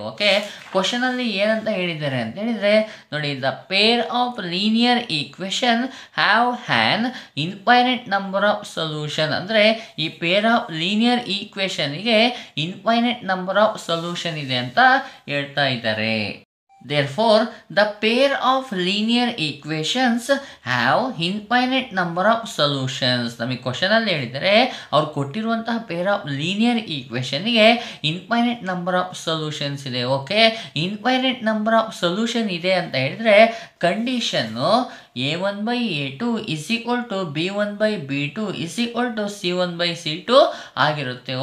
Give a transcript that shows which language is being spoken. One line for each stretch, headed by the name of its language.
English: okay,
Kannada: ಕ್ವಶನಲ್ಲಿ ಏನಂತ ಹೇಳಿದ್ದಾರೆ ಅಂತ ಹೇಳಿದರೆ ನೋಡಿ,
English: The pair of linear equation have an infinite number of solution.
Kannada: ಅಂದರೆ ಈ pair of linear ಈಕ್ವೇಷನ್ಗೆ infinite number of solution ಇದೆ ಅಂತ ಹೇಳ್ತಾ ಇದ್ದಾರೆ.
English: Therefore, the pair of linear equations have infinite number of solutions.
Kannada: ನಮಗೆ ಕ್ವಶನ್ ಅಲ್ಲಿ ಹೇಳಿದರೆ ಅವ್ರು ಕೊಟ್ಟಿರುವಂತಹ pair of linear ಈಕ್ವೇಷನ್ಗೆ infinite number of solutions ಇದೆ.
English: okay, infinite number of solution
Kannada: ಇದೆ ಅಂತ ಹೇಳಿದರೆ
English: Condition A one by A two is equal to B one by B two is equal to C one by C two ಆಗಿರುತ್ತೆ.